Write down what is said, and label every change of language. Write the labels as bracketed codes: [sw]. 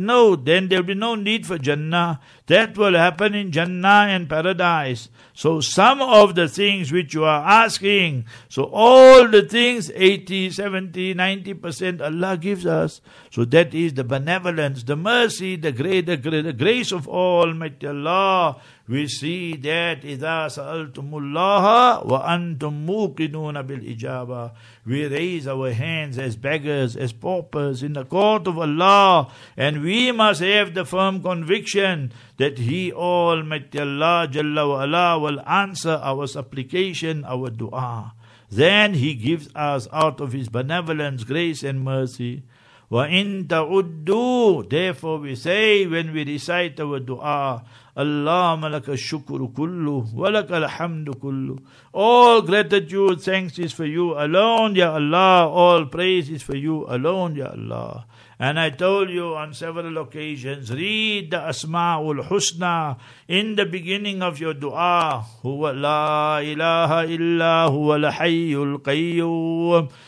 [en] No, then there will be no need for Jannah. That will happen in Jannah and Paradise. So some of the things which you are asking, so all the things, 80, 70, 90% Allah gives us. So that is the benevolence, the mercy, the greater grace of Almighty Allah. We see that [ar] إِذَا سَأَلْتُمُ اللَّهَ وَأَنْتُمْ مُوقِنُونَ بِالْإِجَابَةِ. [en] We raise our hands as beggars, as paupers in the court of Allah, and we must have the firm conviction that He Almighty Allah Jalla wa Ala will answer our supplication, our dua. Then He gives us out of His benevolence, grace and mercy. [ar] وَإِن تَعُدُّوا, [en] therefore we say when we recite our dua, [ar] اللَّهُمَّ لَكَ الشُّكُرُ كُلُّ وَلَكَ الْحَمْدُ كُلُّ. [en] All gratitude, thanks is for you alone, Ya Allah. All praise is for you alone, Ya Allah. And I told you on several occasions, read the Asma'ul Husna in the beginning of your dua. [ar] هُوَ لَا إِلَهَ إِلَّا هُوَ الْحَيُّ الْقَيُّمُ.